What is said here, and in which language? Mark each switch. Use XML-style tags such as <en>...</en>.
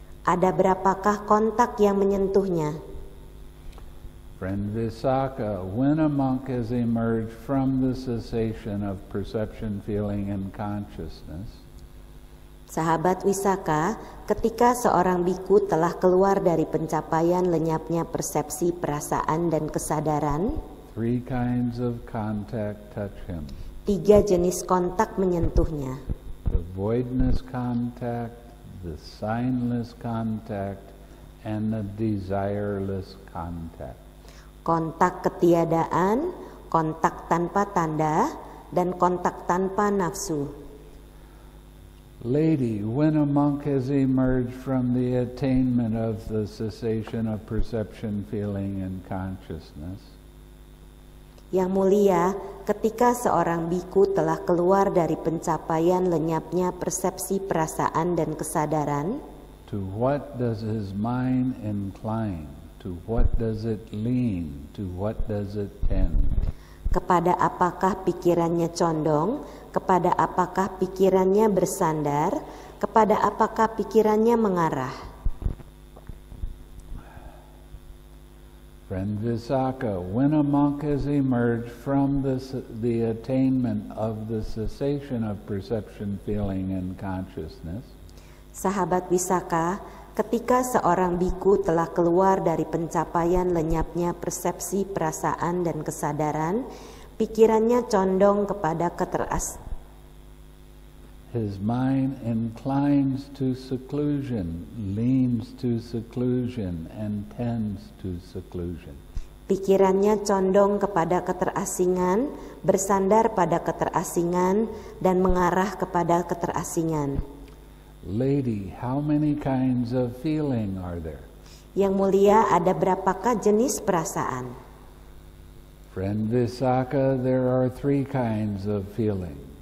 <id>Ada berapakah kontak yang menyentuhnya?</id> <en>Friend Visakha, when a monk has emerged from the cessation of perception, feeling, and consciousness.</en> <id>Sahabat Visakha, ketika seorang bhikkhu telah keluar dari pencapaian lenyapnya persepsi, perasaan, dan kesadaran.</id> <en>Three kinds of contact touch him.</en> <id>Tiga jenis kontak menyentuhnya.</id> <en>The voidness contact, the signless contact, and the desireless contact.</en> <id>Kontak ketiadaan, kontak tanpa tanda, dan kontak tanpa nafsu.</id> <en>Lady, when a monk has emerged from the attainment of the cessation of perception, feeling, and consciousness.</en> <id>Yang mulia, ketika seorang bhikkhu telah keluar dari pencapaian lenyapnya persepsi, perasaan, dan kesadaran.</id> <en>To what does his mind incline? To what does it lean? To what does it tend?</en> <id>Kepada apakah pikirannya condong? Kepada apakah pikirannya bersandar? Kepada apakah pikirannya mengarah?</id> <en>Friend Visakha, when a monk has emerged from the attainment of the cessation of perception, feeling, and consciousness.</en> <id>Sahabat Visakha, ketika seorang bhikkhu telah keluar dari pencapaian lenyapnya persepsi, perasaan, dan kesadaran, pikirannya condong kepada</id> <en>His mind inclines to seclusion, leans to seclusion, and tends to seclusion.</en> <id>Pikirannya condong kepada keterasingan, bersandar pada keterasingan, dan mengarah kepada keterasingan.</id> <en>Lady, how many kinds of feeling are there?</en> <id>Yang mulia, ada berapakah jenis perasaan?</id> <en>Friend Visakha, there are three kinds of feeling.</en>